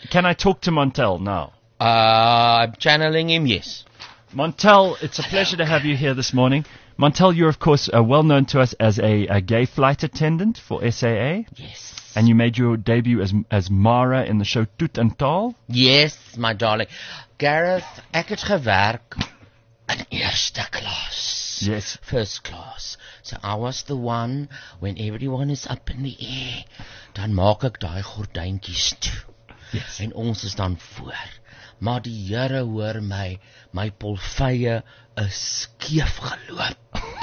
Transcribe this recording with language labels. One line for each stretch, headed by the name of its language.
English: Can I talk to Montel now? I'm channeling him, yes. Montel, it's a pleasure to have you here this morning. Montel, you're, of course, well known to us as a gay flight attendant for SAA. Yes. And you made your debut as Mara in the show Toot and Tal. Yes, my darling.
Afrikaans: Gareth, ek het gewerk in eerste klas.
English: Yes. First class. So I was the one, when everyone is up in the air,
Afrikaans: dan maak ek daai gordyntjies toe.
English: Yes.
Afrikaans: En ons is dan voor. Maar die Here hoor my, my polveie is skeef geloop.